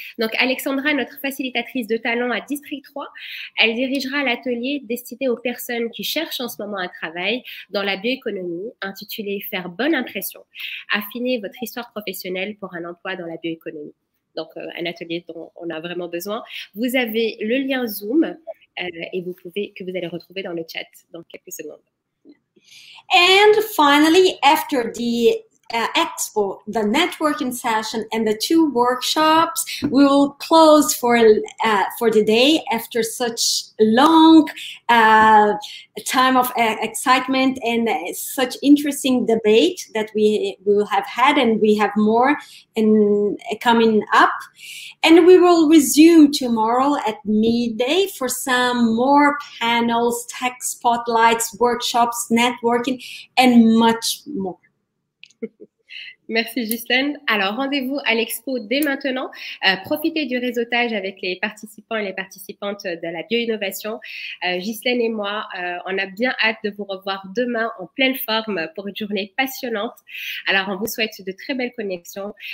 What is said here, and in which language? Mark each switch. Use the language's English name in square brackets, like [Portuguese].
[French] Donc, Alexandra, notre facilitatrice de talent à District 3, elle dirigera l'atelier destiné aux personnes qui cherchent en ce moment un travail dans la bioéconomie, intitulé « Faire bonne impression, affiner votre histoire professionnelle pour un emploi dans la bioéconomie ». Donc, un atelier dont on a vraiment besoin. Vous avez le lien Zoom et vous allez retrouver dans le chat dans quelques secondes. [English] And finally, after the expo, the networking session, and the two workshops, we will close for the day after such long time of excitement and such interesting debate that we will have had, and we have more in coming up. And we will resume tomorrow at midday for some more panels, tech spotlights, workshops, networking, and much more. [French] Merci Ghislaine. Alors rendez-vous à l'expo dès maintenant. Profitez du réseautage avec les participants et les participantes de la bioinnovation. Ghislaine et moi, on a bien hâte de vous revoir demain en pleine forme pour une journée passionnante. Alors on vous souhaite de très belles connexions.